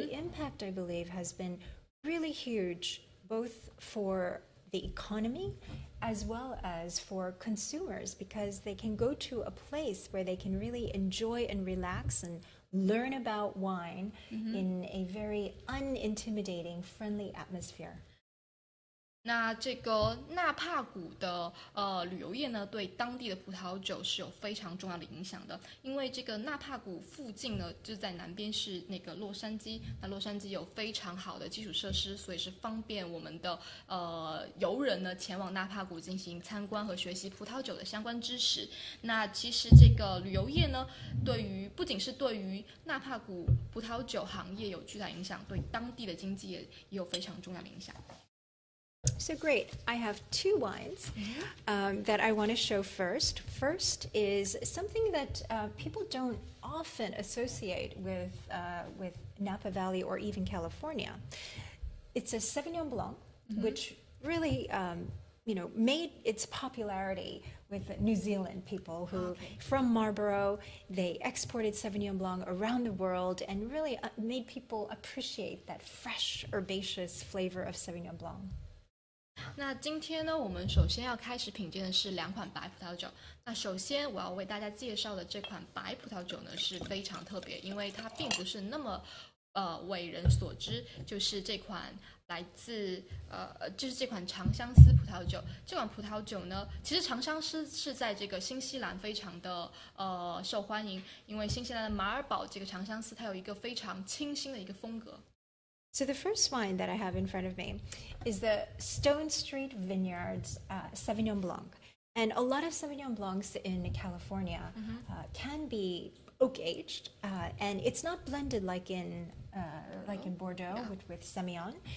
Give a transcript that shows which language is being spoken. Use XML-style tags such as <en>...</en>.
<en>the impact, I believe, has been really huge, both for the economy as well as for consumers, because they can go to a place where they can really enjoy and relax and learn about wine mm-hmm. in a very unintimidating, friendly atmosphere.</en> <zh>那这个纳帕谷的旅游业呢，对当地的葡萄酒是有非常重要的影响的。因为这个纳帕谷附近呢，就在南边是那个洛杉矶，那洛杉矶有非常好的基础设施，所以是方便我们的游人呢前往纳帕谷进行参观和学习葡萄酒的相关知识。那其实这个旅游业呢，对于不仅是对于纳帕谷葡萄酒行业有巨大影响，对当地的经济也有非常重要的影响。</zh> <en>So great. I have two wines that I want to show first. First is something that people don't often associate with Napa Valley or even California. It's a Sauvignon Blanc, mm-hmm. which really, made its popularity with New Zealand people who, okay. from Marlborough, they exported Sauvignon Blanc around the world and really made people appreciate that fresh, herbaceous flavor of Sauvignon Blanc.</en> <zh>那今天呢，我们首先要开始品鉴的是两款白葡萄酒。那首先我要为大家介绍的这款白葡萄酒呢是非常特别，因为它并不是那么为人所知，就是这款来自就是这款长相思葡萄酒。这款葡萄酒呢，其实长相思是在这个新西兰非常的受欢迎，因为新西兰的马尔堡这个长相思它有一个非常清新的一个风格。</zh> <en>So the first wine that I have in front of me is the Stone Street Vineyards Sauvignon Blanc. And a lot of Sauvignon Blancs in California mm-hmm. Can be oak-aged, and it's not blended like in Bordeaux yeah. with Semillon.</en>